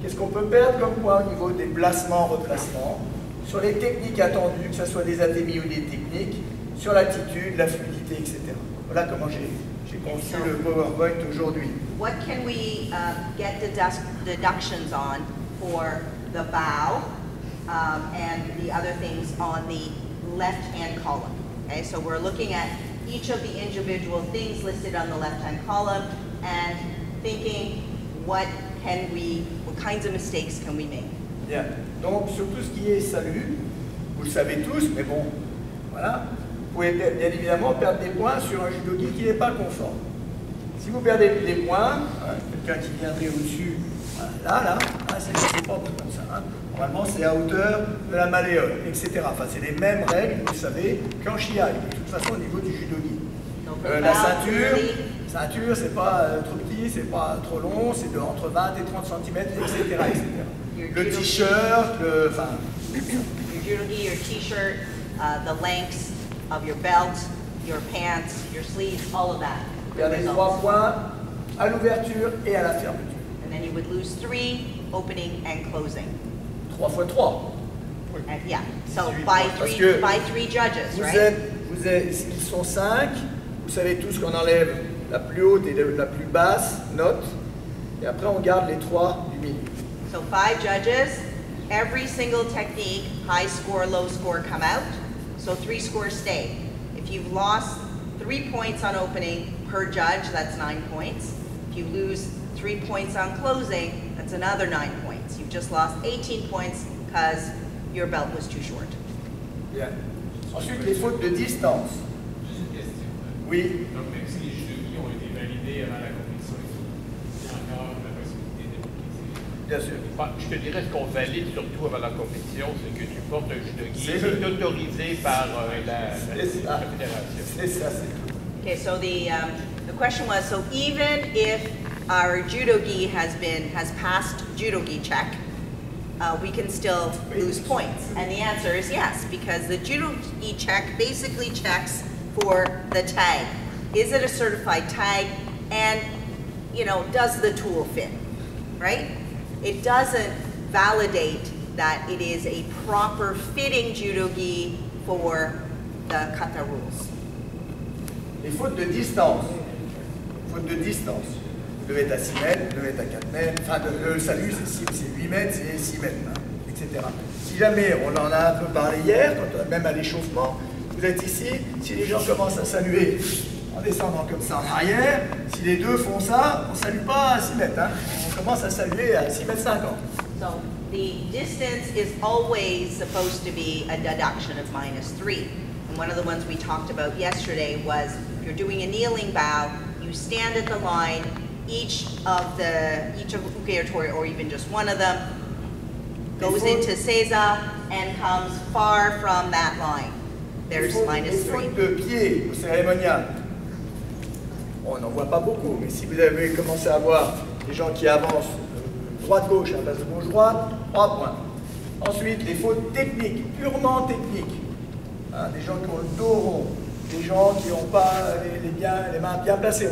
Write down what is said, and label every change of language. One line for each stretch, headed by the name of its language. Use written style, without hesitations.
French: Qu'est-ce qu'on peut perdre comme point au niveau des placements, replacements ? Sur les techniques attendues, que ce soit des ATMI ou des techniques, sur l'attitude, la fluidité, etc. Voilà comment j'ai conçu le PowerPoint aujourd'hui.
English: What can we get the deductions on for the bow and the other things on the left-hand column? Okay, so we're looking at each of the individual things listed on the left-hand column and thinking what kinds of mistakes can we make? Yeah.
French: Donc, sur tout ce qui est salut, vous le savez tous, mais bon, voilà, vous pouvez bien évidemment perdre des points sur un judogi qui n'est pas conforme. Si vous perdez des points, quelqu'un qui viendrait au-dessus, là, c'est pas comme ça. Hein. Normalement, c'est à hauteur de la malléole, etc. Enfin, c'est les mêmes règles, vous le savez, qu'en shiai, de toute façon, au niveau du judogi. La ceinture, c'est pas trop petit, c'est pas trop long, c'est de entre 20 et 30 cm, etc. etc. Le t-shirt,
English: your judogi, your t-shirt, the lengths of your belt, your pants, your sleeves, all of that.
French: Perdez 3 points à l'ouverture et à la fermeture.
English: And then you would lose 3, opening and closing.
French: 3 fois 3.
English: Yeah, so by three judges,
French: vous
English: right?
French: Ils sont 5, vous savez tous qu'on enlève la plus haute et la plus basse note, et après on garde les 3 du milieu.
English: So 5 judges, every single technique, high score, low score come out, so 3 scores stay. If you've lost 3 points on opening per judge, that's 9 points. If you lose 3 points on closing, that's another 9 points. You've just lost 18 points because your belt was too short.
French: Yeah. Ensuite, les fautes de distance. Juste une question. Oui. Donc même si les judogis ont été validés avant la compétition, il y a encore la possibilité de bien sûr. Bah, je te dirais ce qu'on valide surtout avant la compétition, c'est que tu portes un judogi qui est autorisé par la fédération. C'est ça, c'est tout.
English: Okay, so the question was, so even if our judogi has passed judogi check, we can still lose points. And the answer is yes, because the judogi check basically checks for the tag. Is it a certified tag? And, you know, does the tool fit, right? It doesn't validate that it is a proper fitting judogi for the kata rules.
French: Les fautes de distance. Fautes de distance. Vous devez être à 6 mètres, vous devez être à 4 mètres. Enfin, le salut, c'est 8 mètres, c'est 6 mètres, hein, etc. Si jamais, on en a un peu parlé hier, quand on a même à l'échauffement, vous êtes ici, si les gens commencent à saluer en descendant comme ça en arrière, si les deux font ça, on ne salue pas à 6 mètres. Hein, on commence à saluer à 6 mètres 50.
English: So, the distance is always supposed to be a deduction of minus 3. One of the ones we talked about yesterday was if you're doing a kneeling bow, you stand at the line, each of Ukeyotori or even just one of them goes into Seiza and comes far from that line. there's minus 3.
French: Une faute de pied au cérémonial. On n'en voit pas beaucoup, mais si vous avez commencé à voir les gens qui avancent droite-gauche à la place de gauche-droite, 3 points. Ensuite, les fautes techniques, purement techniques. Hein, des gens qui ont le dos rond, des gens qui n'ont pas les mains bien placées.